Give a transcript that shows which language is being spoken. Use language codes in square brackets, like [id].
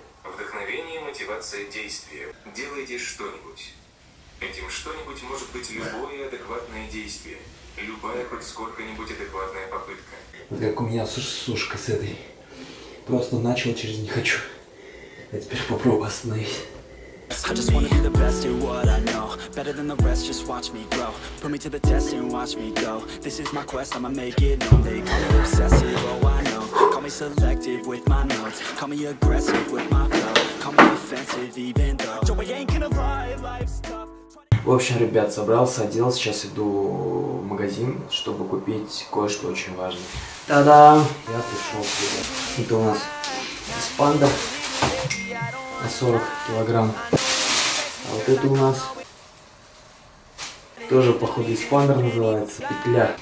[ru] Вдохновение, мотивация, действие. Делайте что-нибудь. Этим что-нибудь может быть любое адекватное действие. Любая хоть сколько-нибудь адекватная попытка. Вот как у меня сушка с этой. Просто начал через не хочу. А теперь попробую остановить. [en] I just wanna be the best in what I know. Better than the rest, just watch me grow. Put me to the test and watch me go. This is my quest, I'ma make it known. They call me obsessive, oh I know. Call me selective with my notes. Call me aggressive with my flow. Call me defensive even though Joey ain't gonna lie, life's tough. [ru] В общем, ребят, собрался, оделся. Сейчас иду в магазин, чтобы купить кое-что очень важное. Та-дам! Я пришел, ребят. Это у нас эспандер. 40 килограмм. А вот это у нас тоже походу эспандер называется, петля.